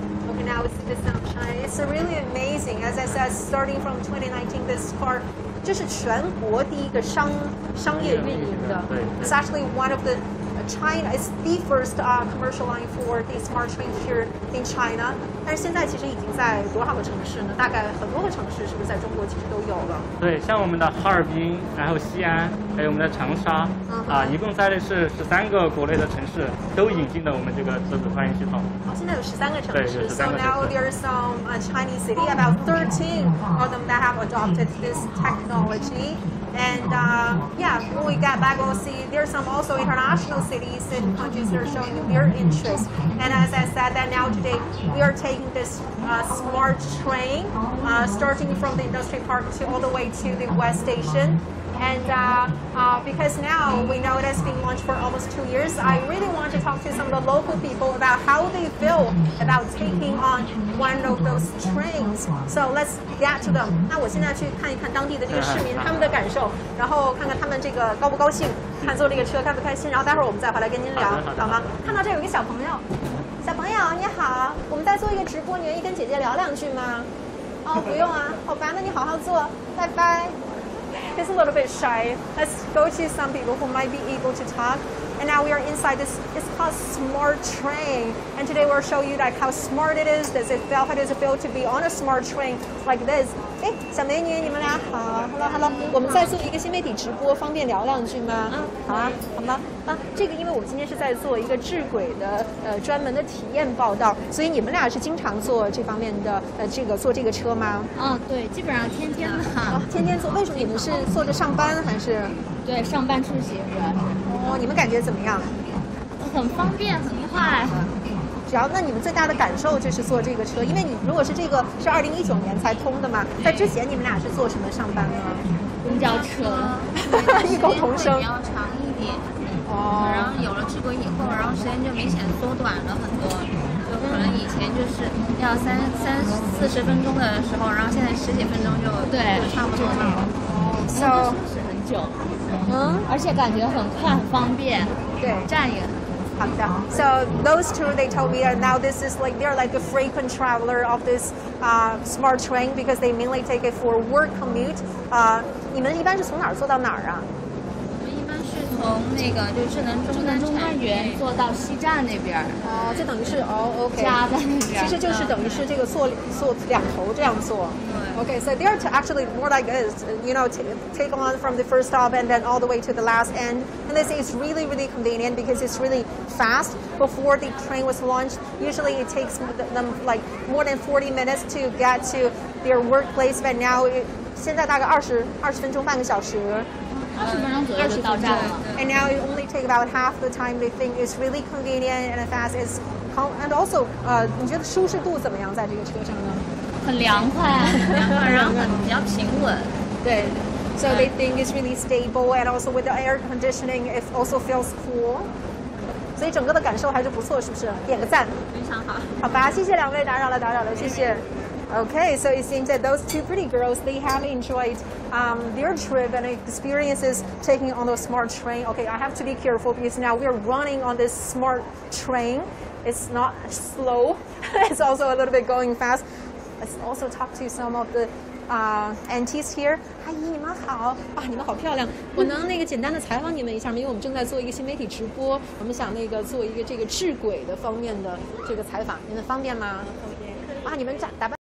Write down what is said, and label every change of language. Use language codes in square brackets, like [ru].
[en] Okay, now it's the sunshine. It's really amazing. As I said, starting from 2019, this car, [zh] 这是全国第一个商业运营的 [en] It's actually one of the China, it's the first commercial line for the smart train here in China. [zh] 但是现在其实已经在多少个城市呢？大概很多个城市是不是在中国其实都有了？对，像我们的哈尔滨，然后西安，还有我们的长沙，一共在的是13个国内的城市都引进了我们这个车子快运系统。好，现在有十三个城市。对，有十三个城市。 [en] So now there are some Chinese city, about 13 of them that have adopted this technology. And when we get back, we'll see there's some also international cities and countries that are showing their interest. And as I said, that now today we are taking this smart train starting from the industry park to all the way to the West Station. And because now we know it has been launched for almost 2 years, I really want to talk to some of the local people about how they feel about taking on one of those trains. So let's get to them. [zh] 那我现在去看一看当地的这个市民他们的感受，然后看看他们这个高不高兴，看坐这个车开不开心，然后待会儿我们再回来跟您聊，好吗？看到这有一个小朋友，小朋友你好，我们在做一个直播，你愿意跟姐姐聊两句吗？哦，不用啊，好吧，那你好好坐，拜拜。 [en] He's a little bit shy. Let's go to some people who might be able to talk. And now we are inside this, it's called Smart Train. And today we'll show you like how smart it is. Does it feel, how does it feel to be on a smart train like this? [zh] 哎，小美女，你们俩好。Hello. 我们在做一个新媒体直播，方便聊两句吗？好吗？这个因为我今天是在做一个智轨的专门的体验报道，所以你们俩是经常坐这方面的这个坐这个车吗？对，基本上天天的。天天坐，为什么你们是坐着上班还是？对，上班出行主要是。哦，你们感觉怎么样？很方便，很快。主要那你们最大的感受就是坐这个车，因为你如果是这个是2019年才通的嘛，在之前你们俩是坐什么上班呢？公交车。异口同声。时间会比较长一点。哦，然后有了智轨以后，然后时间就明显缩短了很多，就可能以前就是要三四十分钟的时候，然后现在十几分钟就对差不多了。哦，是很久，而且感觉很快很方便，对，站也。 [en] So those two, they told me that now this is like, they're like a frequent traveler of this smart train because they mainly take it for work commute. [zh] 你们一般是从哪儿坐到哪儿啊？从那个就智能中端园坐到西站那边哦，就等于是哦 ，OK，家在那边，其实就是等于是这个坐两头这样坐。 [en] Okay, so they are actually more like this, you know, take on from the first stop and then all the way to the last end. And they say it's really, really convenient because it's really fast. Before the train was launched, usually it takes them like more than 40 minutes to get to their workplace. But now, [zh] 现在大概二十分钟，半个小时。 20分钟左右就到站了。 [en] And now it only take about half the time. They think it's really convenient and fast. It's and also, [zh] 你觉得舒适度怎么样在这个车上呢？很凉快，然后比较平稳。对。 [en] So they think it's really stable and also with the air conditioning, it also feels cool. [zh] 所以整个的感受还是不错，是不是？点个赞。非常好。好吧，谢谢两位，打扰了，谢谢。 [en] Okay, so it seems that those two pretty girls, they have enjoyed their trip and experiences taking on the smart train. Okay, I have to be careful because now we are running on this smart train. It's not slow. It's also a little bit going fast. Let's also talk to some of the aunties here. [zh] 阿姨，你们好。啊，你们好漂亮。我能那个简单的采访你们一下吗？因为我们正在做一个新媒体直播，我们想那个做一个这个智轨的方面的这个采访，你们方便吗？方便。啊，你们打扮。